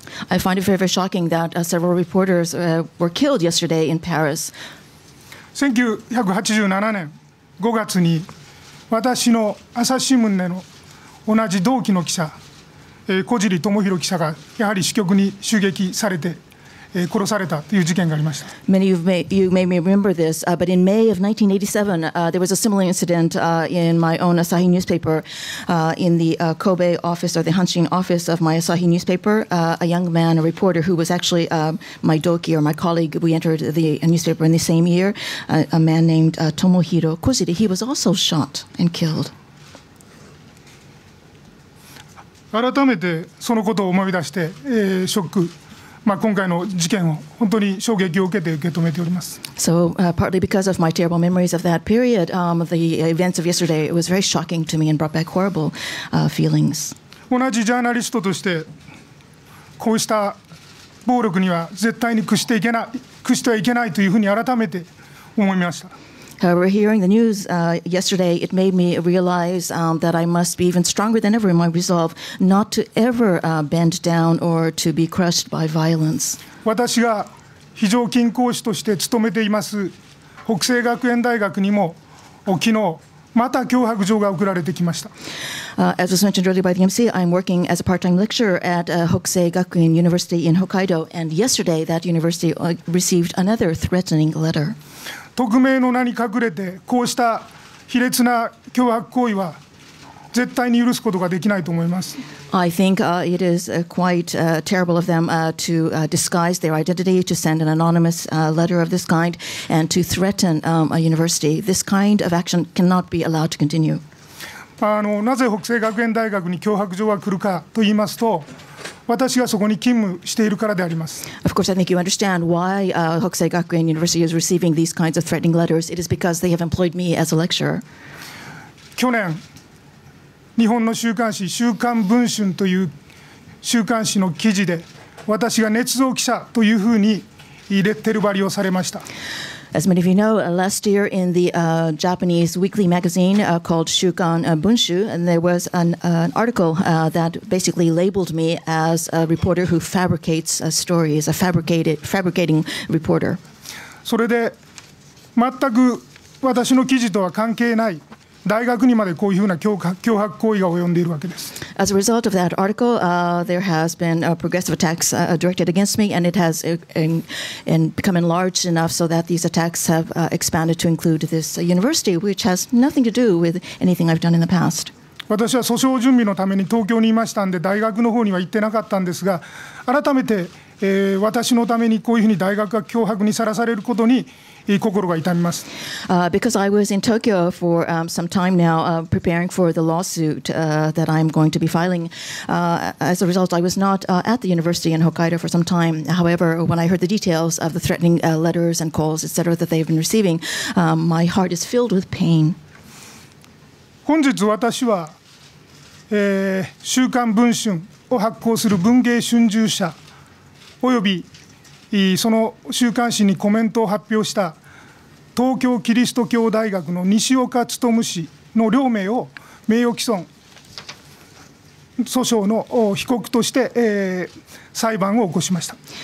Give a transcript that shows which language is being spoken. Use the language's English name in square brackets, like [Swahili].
[English] I find it very, very shocking that several reporters were killed yesterday in Paris. [Japanese] 1987年5月に私の朝日新聞での同じ同期の記者 小尻智博記者がやはり支局に襲撃されて殺されたという事件がありました。 [English] Many of you may remember this, but in May of 1987, there was a similar incident in my own Asahi newspaper, in the Kobe office or the Hanshin office of my Asahi newspaper. A young man, a reporter who was actually my doki or my colleague, we entered the newspaper in the same year, a man named Tomohiro Koziri, he was also shot and killed. [Japanese] 改めてそのことを思い出して、ショック、まあ、今回の事件を本当に衝撃を受けて受け止めております。 [English] So, partly because of my terrible memories of that period, of the events of yesterday, it was very shocking to me and brought back horrible, feelings. [Japanese] 同じジャーナリストとして、こうした暴力には絶対に屈してはいけないというふうに改めて思いました。 [English] However, hearing the news yesterday, it made me realize that I must be even stronger than ever in my resolve not to ever bend down or to be crushed by violence. [Japanese] 私が非常勤講師として勤めています北西学園大学にも昨日また脅迫状が送られてきました。 [English] As was mentioned earlier by the MC, I'm working as a part-time lecturer at Hokusei Gakuin University in Hokkaido, and yesterday that university received another threatening letter. [Japanese] 匿名の名に隠れてこうした卑劣な脅迫行為は絶対に許すことができないと思います。 [English] I think it is quite terrible of them to disguise their identity, to send an anonymous letter of this kind, and to threaten a university. This kind of action cannot be allowed to continue. [Japanese] なぜ北西学園大学に脅迫状が来るかと言いますと、私がそこに勤務しているからであります。 [English] Of course, I think you understand why Hokusei Gakuin University is receiving these kinds of threatening letters. It is because they have employed me as a lecturer. [Japanese] 去年日本の週刊誌週刊文春という週刊誌の記事で私が捏造記者というふうにレッテル貼りをされました。 [English] As many of you know, last year in the Japanese weekly magazine called Shukan Bunshu, and there was an article that basically labeled me as a reporter who fabricates stories, a fabricating reporter. [Japanese] それで全く私の記事とは関係ない大学にまでこういうふうな脅迫行為が及んでいるわけです。 [English] As a result of that article, there has been a progressive attacks directed against me, and it has become enlarged enough so that these attacks have expanded to include this university, which has nothing to do with anything I've done in the past. [Japanese] 私は訴訟準備のために東京にいましたんで、大学の方には行ってなかったんですが、改めて、私のためにこういうふうに大学が脅迫にさらされることに、心が痛みます。 [English] Because I was in Tokyo for some time now, preparing for the lawsuit that I'm going to be filing. As a result, I was not at the university in Hokkaido for some time. However, when I heard the details of the threatening letters and calls, etc., that they've been receiving, my heart is filled with pain. [Japanese] 本日私は、週刊文春を発行する文藝春秋社及びその週刊誌にコメントを発表した東京キリスト教大学の西岡努氏の両名を名誉毀損訴訟の被告として裁判を起こしました。